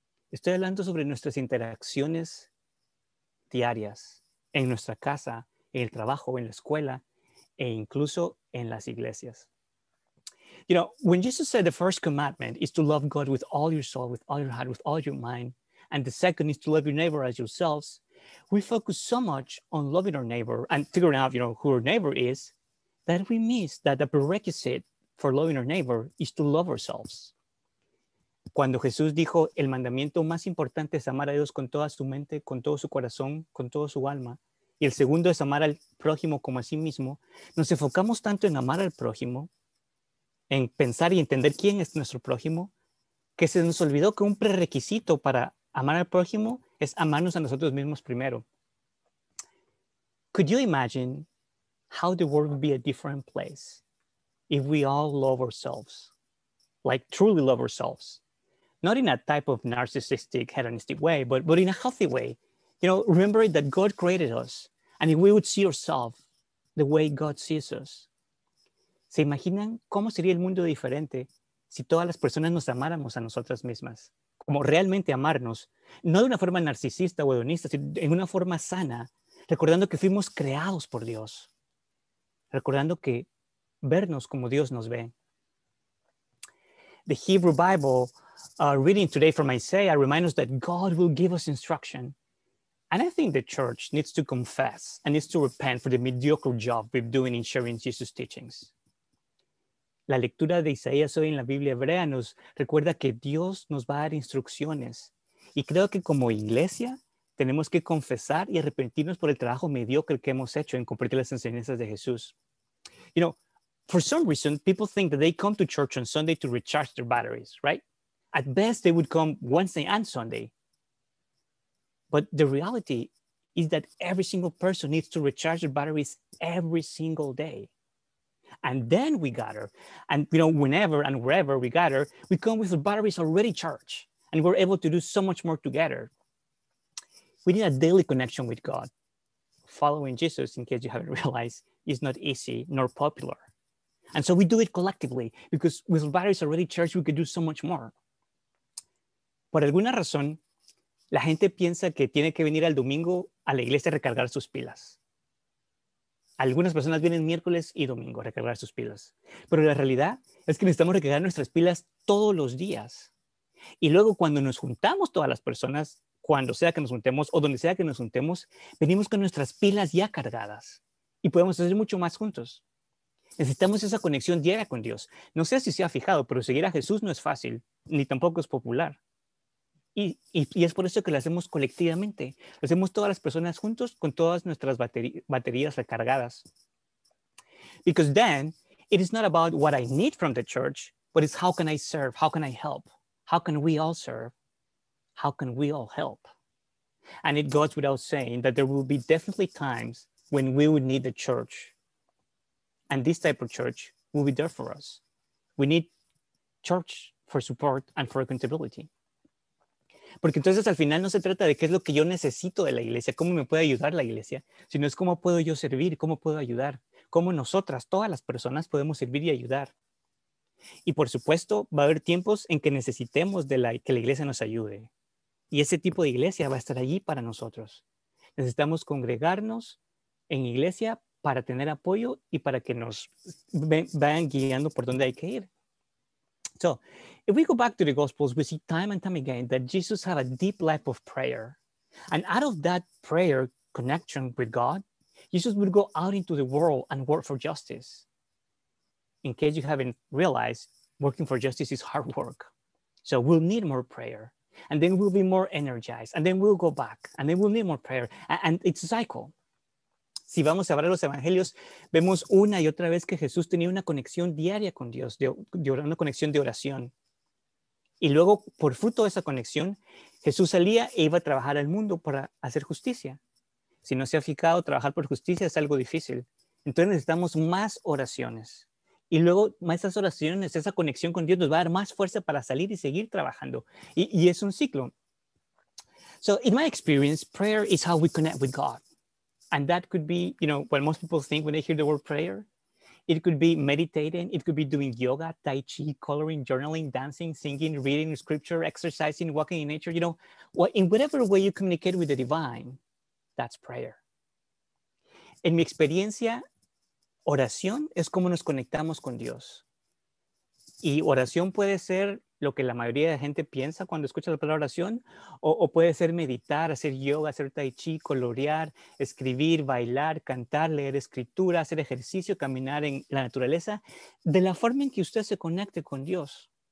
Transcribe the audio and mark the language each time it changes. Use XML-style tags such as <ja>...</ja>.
<es>Estoy hablando sobre nuestras interacciones diarias en nuestra casa, en el trabajo, en la escuela, e incluso en las iglesias.</es> <en>You know, when Jesus said the first commandment is to love God with all your soul, with all your heart, with all your mind, and the second is to love your neighbor as yourselves, we focus so much on loving our neighbor and figuring out, you know, who our neighbor is, that we miss that the prerequisite for loving our neighbor is to love ourselves.</en> <es>Cuando Jesús dijo, el mandamiento más importante es amar a Dios con toda su mente, con todo su corazón, con todo su alma, y el segundo es amar al prójimo como a sí mismo, nos enfocamos tanto en amar al prójimo, en pensar y entender quién es nuestro prójimo, que se nos olvidó que un prerequisito para amar al prójimo es amarnos a nosotros mismos primero.</es> <en>Could you imagine how the world would be a different place if we all love ourselves, like truly love ourselves? Not in a type of narcissistic, hedonistic way, but in a healthy way. You know, remembering that God created us, and if we would see ourselves the way God sees us.</en> <es>¿Se imaginan cómo sería el mundo diferente si todas las personas nos amáramos a nosotras mismas? Como realmente amarnos, no de una forma narcisista o hedonista, sino en una forma sana, recordando que fuimos creados por Dios, recordando que vernos como Dios nos ve.</es> <en>The Hebrew Bible reading today from Isaiah reminds us that God will give us instruction. And I think the church needs to confess and needs to repent for the mediocre job we've doing in sharing Jesus' teachings.</en> <es>La lectura de Isaías hoy en la Biblia hebrea nos recuerda que Dios nos va a dar instrucciones. Y creo que como iglesia tenemos que confesar y arrepentirnos por el trabajo mediocre que hemos hecho en compartir las enseñanzas de Jesús.</es> <en>You know, for some reason, people think that they come to church on Sunday to recharge their batteries, right? At best, they would come Wednesday and Sunday. But the reality is that every single person needs to recharge their batteries every single day. And then we gather. And, you know, whenever and wherever we gather, we come with the batteries already charged. And we're able to do so much more together. We need a daily connection with God. Following Jesus, in case you haven't realized, is not easy nor popular. And so we do it collectively because with batteries already charged, we could do so much more.</en> <es>Por alguna razón, la gente piensa que tiene que venir al domingo a la iglesia a recargar sus pilas. Algunas personas vienen miércoles y domingo a recargar sus pilas. Pero la realidad es que necesitamos recargar nuestras pilas todos los días. Y luego cuando nos juntamos todas las personas, cuando sea que nos juntemos o donde sea que nos juntemos, venimos con nuestras pilas ya cargadas y podemos hacer mucho más juntos. Necesitamos esa conexión diaria con Dios. No sé si se ha fijado, pero seguir a Jesús no es fácil, ni tampoco es popular. Y es por eso que lo hacemos colectivamente. Lo hacemos todas las personas juntos con todas nuestras baterías recargadas.</es> <en>Because then, it is not about what I need from the church, but it's how can I serve, how can I help? How can we all serve? How can we all help? And it goes without saying that there will be definitely times when we would need the church. And this type of church will be there for us. We need church for support and for accountability.</en> <es>Porque entonces al final no se trata de qué es lo que yo necesito de la iglesia, cómo me puede ayudar la iglesia, sino es cómo puedo yo servir, cómo puedo ayudar, cómo nosotras, todas las personas, podemos servir y ayudar. Y por supuesto, va a haber tiempos en que necesitemos de que la iglesia nos ayude. Y ese tipo de iglesia va a estar allí para nosotros. Necesitamos congregarnos en iglesia para tener apoyo y para que nos vayan guiando por dónde hay que ir.</es> <en>So, if we go back to the Gospels, we see time and time again that Jesus had a deep life of prayer. And out of that prayer connection with God, Jesus would go out into the world and work for justice. In case you haven't realized, working for justice is hard work. So we'll need more prayer. And then we'll be more energized. And then we'll go back. And then we'll need more prayer. And it's a cycle.</en> <es>Si vamos a ver los evangelios, vemos una y otra vez que Jesús tenía una conexión diaria con Dios, una conexión de oración. Y luego, por fruto de esa conexión, Jesús salía e iba a trabajar al mundo para hacer justicia. Si no se ha fijado, trabajar por justicia es algo difícil. Entonces necesitamos más oraciones. Y luego, esas oraciones, esa conexión con Dios nos va a dar más fuerza para salir y seguir trabajando. Y es un ciclo.</es> <en>So, in my experience, prayer is how we connect with God. And that could be, you know, what most people think when they hear the word prayer. It could be meditating. It could be doing yoga, tai chi, coloring, journaling, dancing, singing, reading scripture, exercising, walking in nature. You know, in whatever way you communicate with the divine, that's prayer.</en> <es>En mi experiencia, oración es como nos conectamos con Dios. Y oración puede ser lo que la mayoría de gente piensa cuando escucha la palabra oración, o puede ser meditar, hacer yoga, hacer tai chi, colorear, escribir, bailar, cantar, leer escritura, hacer ejercicio, caminar en la naturaleza, de la forma en que usted se conecte con Dios.</es>